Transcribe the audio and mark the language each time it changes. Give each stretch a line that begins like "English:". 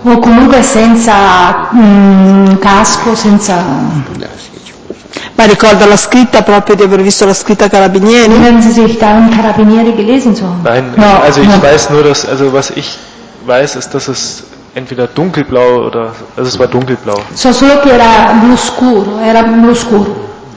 Italian: O comunque senza casco, senza. Ma ricorda la scritta proprio di aver visto la scritta Carabinieri?
German: Erinnern Sie sich daran, Carabinieri gelesen zu haben? Nein, no, also ich no. weiß nur, dass, also was ich weiß, ist, dass es entweder dunkelblau oder, also es war dunkelblau.
Italian: So solo che era blu scuro, era blu scuro.